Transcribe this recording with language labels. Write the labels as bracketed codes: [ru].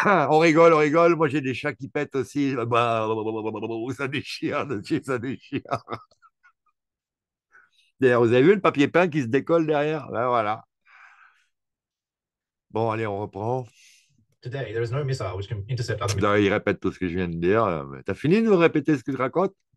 [fr] on rigole, moi j'ai des chats qui pètent aussi. Ça déchire, ça déchire. D'ailleurs, vous avez vu le papier peint qui se décolle derrière? Ben voilà. Bon, allez, on reprend. [en] Today, there is no missile which can intercept other [fr] Là, il répète tout ce que je viens de dire. T'as fini de nous répéter ce que je raconte?